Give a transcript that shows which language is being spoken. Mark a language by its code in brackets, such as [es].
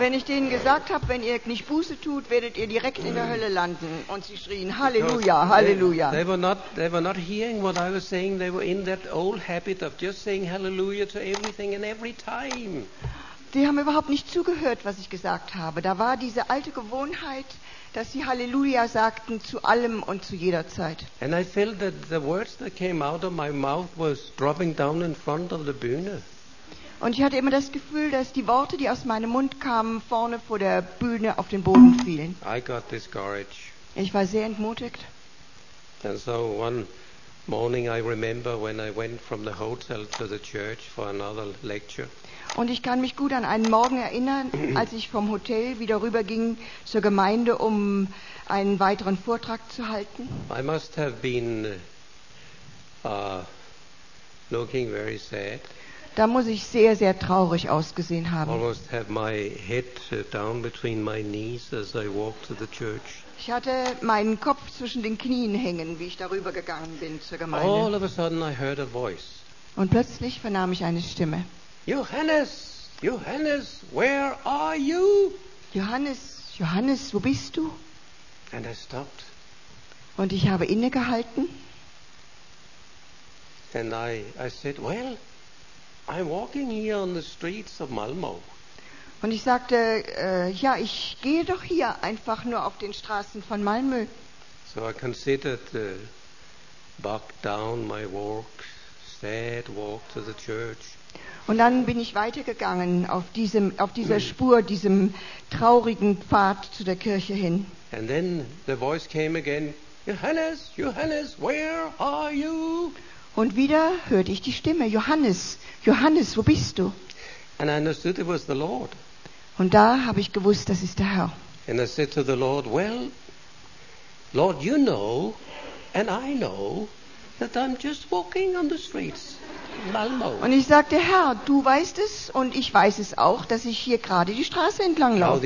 [de] Wenn ich denen gesagt habe, wenn ihr nicht Buße tut, werdet ihr direkt in der Hölle landen, und sie schrien Hallelujah, Hallelujah. [en] They were not hearing what I was saying. They were in that old habit of just saying Hallelujah to everything and every time. [de] Die haben überhaupt nicht zugehört, was ich gesagt habe. Da war diese alte Gewohnheit, dass sie Halleluja sagten zu allem und zu jeder Zeit. [en] And I felt that the words that came out of my mouth was dropping down in front of the Bühne. [de] Und ich hatte immer das Gefühl, dass die Worte, die aus meinem Mund kamen, vorne vor der Bühne auf den Boden fielen. [en] I got discouraged. [de] Ich war sehr entmutigt. [en] And so one morning I remember when I went from the hotel to the church for another lecture. [de] Und ich kann mich gut an einen Morgen erinnern, als ich vom Hotel wieder rüberging zur Gemeinde, um einen weiteren Vortrag zu halten. [en] I must have been looking very sad. [de] Da muss ich sehr, sehr traurig ausgesehen haben. [en] Almost have my head down between my knees as I walked to the church. [de] Ich hatte meinen Kopf zwischen den Knien hängen, wie ich darüber gegangen bin zur Gemeinde. [en] All of a sudden I heard a voice. [de] Und plötzlich vernahm ich eine Stimme. [en] Johannes, Johannes, where are you? [de] Johannes, Johannes, wo bist du? [en] And I stopped. [de] Und ich habe innegehalten. [en] And I said, well, I'm walking here on the streets of Malmö. [de] Und ich sagte, ja, ich gehe doch hier einfach nur auf den Straßen von Malmö. [en] So I considered back down my walk, sad walk to the church. [de] Und dann bin ich weitergegangen auf diesem, auf dieser Spur, diesem traurigen Pfad zu der Kirche hin. [en] And then the voice came again, Johannes, Johannes, where are you? [de] Und wieder hörte ich die Stimme, Johannes, Johannes, wo bist du? [en] And I understood it was the Lord. [de] Und da habe ich gewusst, das ist der Herr. [en] And I said to the Lord, well, Lord, you know, and I know, that I'm just walking on the streets. [de] Und ich sagte, Herr, du weißt es und ich weiß es auch, dass ich hier gerade die Straße entlang laufe.